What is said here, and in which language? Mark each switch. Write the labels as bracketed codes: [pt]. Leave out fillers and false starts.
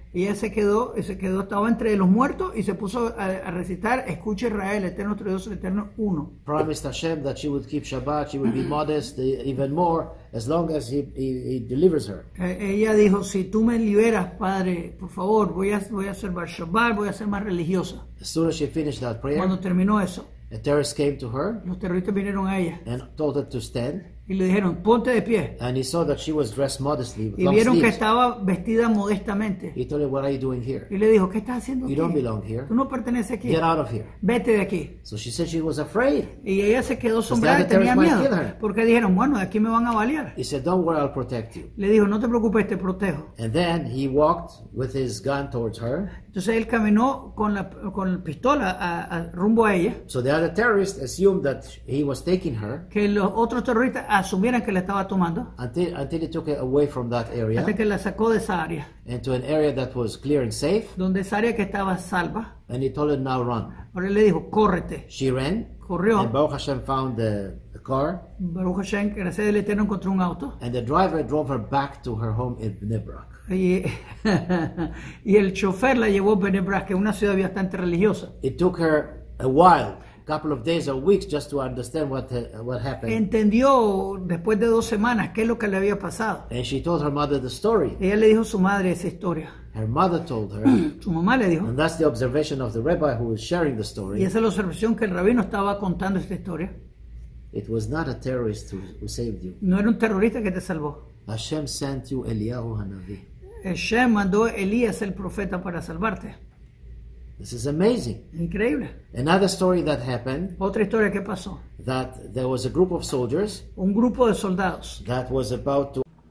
[es] Y ella se quedó, estaba entre los muertos y se puso a recitar, escucha Israel, Eterno otro Dios, Eterno Uno. [en] Promised Hashem that she would keep Shabbat, she would be modest even more, as long as he delivers her. [es] Ella dijo, si tú me liberas, Padre, por favor, voy a hacer más Shabbat, voy a ser más religiosa. [en] As soon as she finished that prayer, [es] cuando terminó eso, [en] a terrorist came to her, [es] los terroristas vinieron a ella, [en] and told her to stand. [es] Y le dijeron, ponte de pie. [en] And he saw that she was dressed modestly, [es] y vieron que estaba vestida modestamente. [en] He told her, what are you doing here? [es] Y le dijo, ¿qué estás haciendo aquí? [en] You don't belong here. [es] Tú no perteneces aquí. [en] Get out of here. [es] Vete de aquí. [en] So she said she was afraid. [es] Y ella se quedó sombrada, tenía miedo. Porque dijeron, bueno, de aquí me van a balear. [en] He said, don't worry, I'll protect you. [es] Le dijo, no te preocupes, te protejo. [en] And then he walked with his gun towards her. [es] Entonces él caminó con la pistola a rumbo a ella. [en] So the other terrorist assumed that he was taking her. [es] Que los otros terroristas asumieran que la estaba tomando. [en] Until he took her away from that area. [es] Hasta que la sacó de esa área. [en] Into an area that was clear and safe. [es] Donde esa área que estaba salva. [en] And he told her now run. [es] Ahora él le dijo, córrete. [en] She ran. [es] Corrió. [en] And Baruch Hashem found the car. [es] Baruch Hashem, gracias al Eterno, encontró un auto. [en] And the driver drove her back to her home in Bnei Brak. [es] Y el chofer la llevó a Bnei Brak, que es una ciudad bastante religiosa. [en] It took her a while, a couple of days or weeks, just to understand what happened. [es] Entendió después de dos semanas qué es lo que le había pasado. [en] And she told her mother the story. [es] Ella le dijo a su madre esa historia. [en] Her mother told her. [es] Su mamá le dijo. [en] And that's the observation of the rabbi who was sharing the story. [es] Y esa es la observación que el rabino estaba contando esta historia. [en] It was not a terrorist who saved you. [es] No era un terrorista que te salvó. [en] Hashem sent you Eliyahu Hanavi. [es] Hashem mandó a Elías el profeta para salvarte. [en] This is amazing. [es] Increíble. [en] Another story that happened. [es] Otra historia que pasó. [en] That there was a group of soldiers. [es] Un grupo de soldados. [en] That was about to.